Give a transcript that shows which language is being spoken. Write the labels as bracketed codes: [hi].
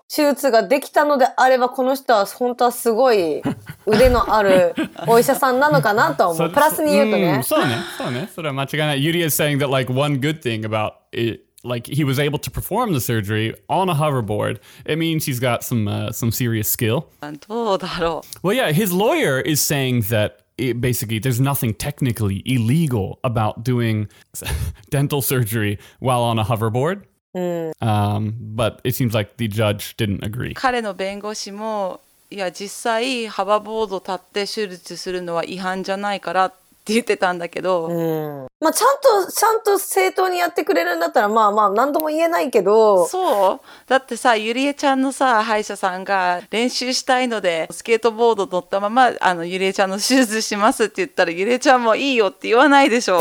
[ja] この事件について、まだ逮捕されてないんだけど、患者さんが必要がない手術もしてたみたいで、国からお金もらえるために、そういうことをしてたんだって。まあ、そうね、ダメだし、ちょっと遊んでる感じがイラッとするけど、なんか二つプラスで言えることは、ホバーボードに乗っててもちゃんと手術ができたのであれば、この人は本当はすごい。腕のあるお医者さんなのかなと思う。プラスに言うとね。そうね。それは間違いない。 [en] Yuri is saying that like one good thing about it, like he was able to perform the surgery on a hoverboard. It means he's got some serious skill. [ja] どうだろう? [en] Well, yeah, his lawyer is saying that it, basically there's nothing technically illegal about doing dental surgery while on a hoverboard. But it seems like the judge didn't agree. [ja] 彼の弁護士も いや、実際、ハバーボード立って手術するのは違反じゃないからっって言ってたんだけど、うん、まあちゃんと正当にやってくれるんだったらまあまあ何とも言えないけど、そうだってさ、ゆりえちゃんのさ歯医者さんが練習したいのでスケートボード乗ったままあのゆりえちゃんの手術しますって言ったらゆりえちゃんもいいよって言わないでしょ。